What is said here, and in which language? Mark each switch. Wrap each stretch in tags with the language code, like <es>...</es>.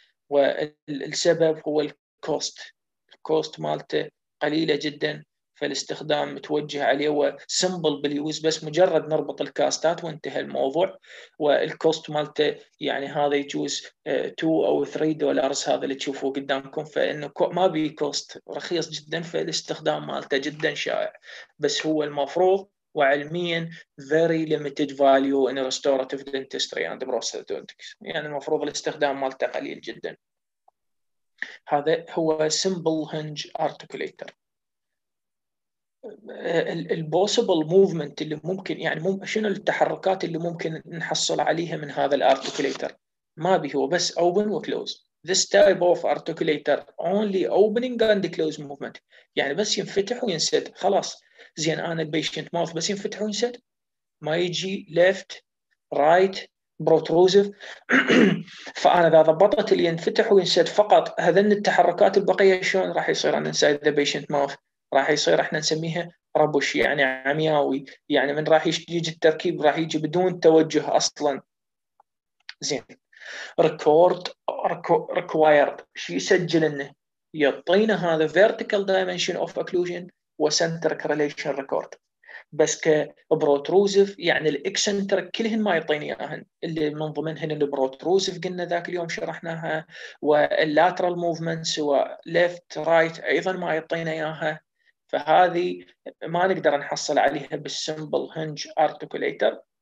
<ar>والسبب هو الكوست، الكوست مالته قليلة جدا، فالاستخدام متوجه عليه هو سمبل باليوز، بس مجرد نربط الكاستات وانتهى الموضوع، والكوست مالته يعني هذا يجوز 2 او 3 دولارز هذا اللي تشوفوه قدامكم، فانه ما بي كوست، رخيص جدا، فالاستخدام مالته جدا شائع، بس هو المفروض وعلميا</ar> <en>very limited value in restorative dentistry and prosthodontics،</en> <ar>يعني المفروض الاستخدام مالته قليل جدا. هذا هو simple hinge articulator. ال possible movement اللي ممكن يعني مو شنو التحركات اللي ممكن نحصل عليها من هذا الارتكوليتر ما به هو بس open وclose.</ar> <en>This type of articulator only opening and close movement.</en> <ar>يعني بس ينفتح وينسد خلاص. زين أنا البيشنت ماوث بس ينفتح وينسد ما يجي</ar> <en>left right protrusive.</en> <ar>فأنا إذا ضبطت اللي ينفتح وينسد فقط هذن التحركات البقية شلون راح يصير أنا</ar> <en>inside the patient mouth؟</en> <ar>راح يصير إحنا نسميها ربش يعني عمياوي، يعني من راح يجي التركيب راح يجي بدون توجه أصلا. زين</ar> <en>record required</en> <ar>شو يسجل لنا؟ يعطينا هذا vertical dimension of occlusion وcentric relation record. بس كبروتروزف يعني الاكسنترك كلهن ما يعطيني اياهن، اللي من ضمنهن البروتروزف قلنا ذاك اليوم شرحناها، واللاترال موفمنتس وليفت رايت ايضا ما يعطينا اياها. فهذه ما نقدر نحصل عليها بالسمبل هنج ارتكوليتر.</ar>